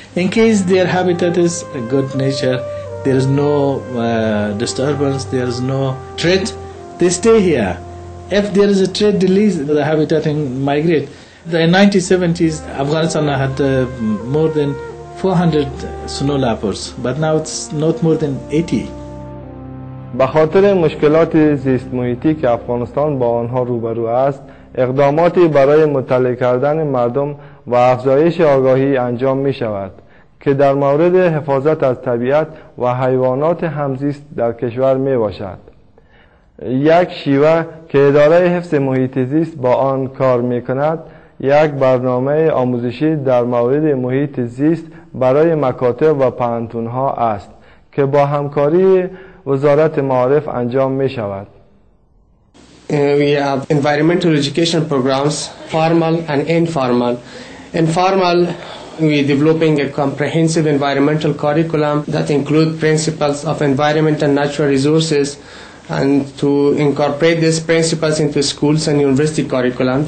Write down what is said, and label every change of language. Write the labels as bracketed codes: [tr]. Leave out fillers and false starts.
[en] In case their habitat is a good nature, there is no disturbance, there is no threat, they stay here. If there is a threat, they leave the habitat and migrate. In the 1970s, Afghanistan had more than 400 snow leopards, but now it's not more than 80. [fa] به خاطر مشکلات زیست محیطی که افغانستان با آنها روبرو است، اقداماتی برای مطلع کردن مردم و افزایش آگاهی انجام می شود که در مورد حفاظت از طبیعت و حیوانات همزیست در کشور می باشد. یک شیوه که اداره حفظ محیط زیست با آن کار می کند، یک برنامه آموزشی در مورد محیط زیست برای مکاتب و پوهنتون‌ها است که با همکاری وزارت معارف انجام می شود. [en] We have environmental education programs, formal and informal. Informal, we are developing a comprehensive environmental curriculum that includes principles of environment and natural resources, and to incorporate these principles into schools and university curriculum.